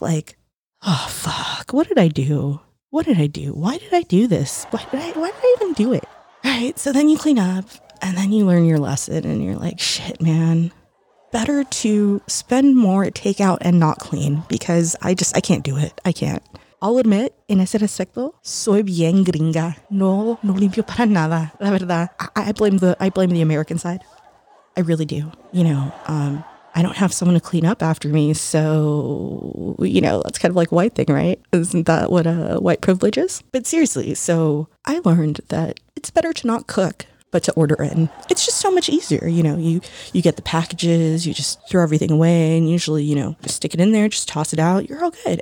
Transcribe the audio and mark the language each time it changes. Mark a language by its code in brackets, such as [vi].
[en] Like, oh, fuck, what did I do? What did I do? Why did I do this? Why did I even do it? Right, so then you clean up. And then you learn your lesson and you're like, shit, man, better to spend more at takeout and not clean because I can't do it. I can't. I'll admit, [es] en ese respecto, soy bien gringa. No limpio para nada, la verdad. [en] I blame the American side. I really do. You know, I don't have someone to clean up after me. So, you know, that's kind of like a white thing, right? Isn't that what a white privilege is? But seriously, so I learned that it's better to not cook. But to order in, it's just so much easier. You know, you get the packages, you just throw everything away, and usually, you know, just stick it in there, just toss it out, you're all good.